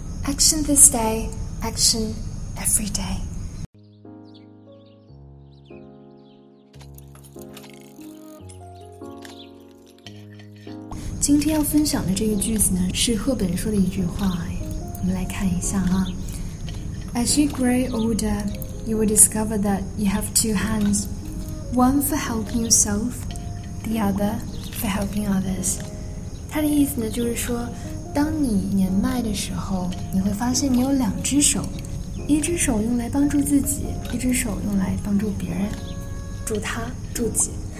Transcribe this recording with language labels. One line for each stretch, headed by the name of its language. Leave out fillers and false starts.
English: Action this day, action every day.
Chinese: 今天要分享的这个句子呢，是赫本说的一句话，我们来看一下啊。
English: As you grow older, you will discover that you have two hands, one for helping yourself, the other for helping others.
Chinese: 他的意思呢，就是说，当你年迈的时候，你会发现你有两只手，一只手用来帮助自己，一只手用来帮助别人，助他助己。